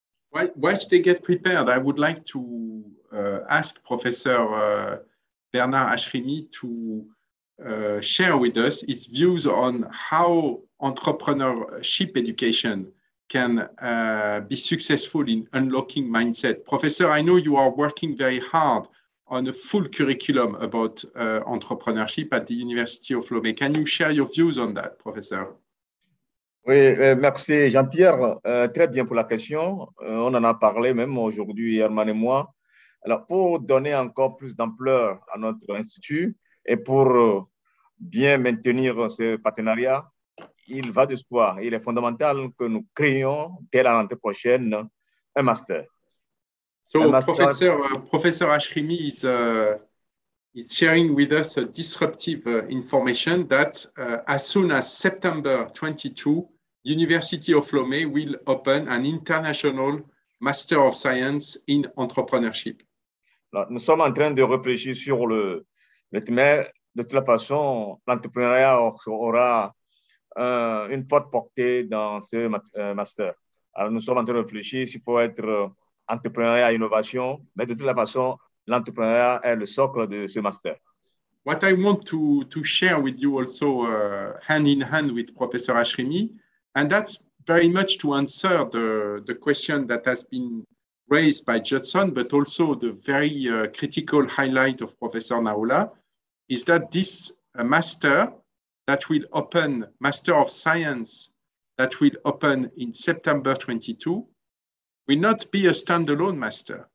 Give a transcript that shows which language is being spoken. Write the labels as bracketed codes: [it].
[en] While they get prepared, I would like to ask Professor Bernard Ashrimi to share with us his views on how entrepreneurship education can be successful in unlocking mindset. Professor, I know you are working very hard on a full curriculum about entrepreneurship at the University of Lomé. Can you share your views on that, Professor? [fr] Oui, merci Jean-Pierre. Très bien pour la question. On en a parlé même aujourd'hui, Herman et moi. Alors, pour donner encore plus d'ampleur à notre institut et pour bien maintenir ce partenariat, il va de soi, il est fondamental que nous créions dès l'année prochaine un master. [en] So, Professor Ashrimi is sharing with us a disruptive information that as soon as September 22, University of Lomé will open an international Master of Science in Entrepreneurship. [fr] Alors, nous sommes en train de réfléchir sur le thème. De toute façon, l'entrepreneuriat aura une forte portée dans ce master. Alors, nous sommes en train de réfléchir s'il faut être entrepreneuriat et innovation, mais de toute façon, l'entrepreneuriat est le socle de ce master. [en] What I want to share with you also hand in hand with Professor Ashrimi, and that's very much to answer the question that has been raised by Judson, but also the very critical highlight of Professor Naola, is that this master that will open, Master of Science, that will open in September 22, will not be a standalone master.